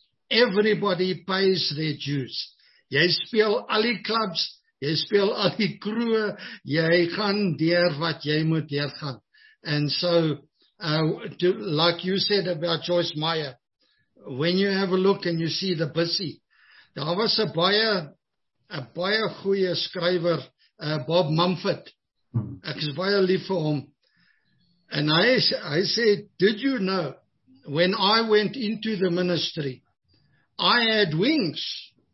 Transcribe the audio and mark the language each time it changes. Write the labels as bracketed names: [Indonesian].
[English] Everybody pays their dues. [Afrikaans] Jy speel al die clubs, jy speel al die kroe, jy gaan deur wat jy moet deur gaan. [English] And so, like you said about Joyce Meyer, when you have a look and you see the busy, [Afrikaans] daar was a baie goeie skrywer, [English] Bob Mumford. [Afrikaans] Ek is baie lief vir hom. [English] And I said, did you know, when I went into the ministry, I had wings.